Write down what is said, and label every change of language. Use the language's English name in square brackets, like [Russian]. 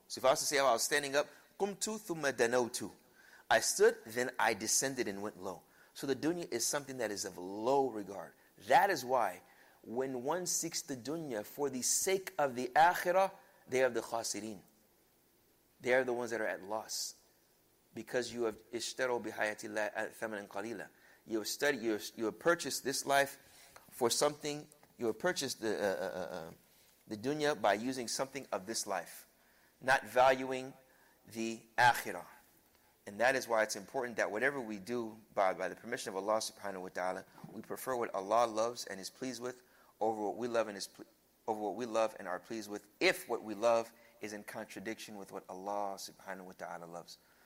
[English] So if I was to say, oh, I was standing up, [Arabic] قُمْتُ ثُمَّ دَنَوْتُ, [English] I stood, then I descended and went low. So the dunya is something that is of low regard. That is why when one seeks the dunya for the sake of the akhirah, they are the khasirin. They are the ones that are at loss. Because you have [Arabic] اشتروا بِحَيَاتِ اللَّهِ ثَمَنًا قَلِيلًا. [English] You have studied, you have purchased this life for something, you have purchased the dunya by using something of this life. Not valuing the akhirah. And that is why it's important that whatever we do, by the permission of Allah subhanahu wa ta'ala, we prefer what Allah loves and is pleased with over what we love and is over what we love and are pleased with, if what we love is in contradiction with what Allah subhanahu wa ta'ala loves.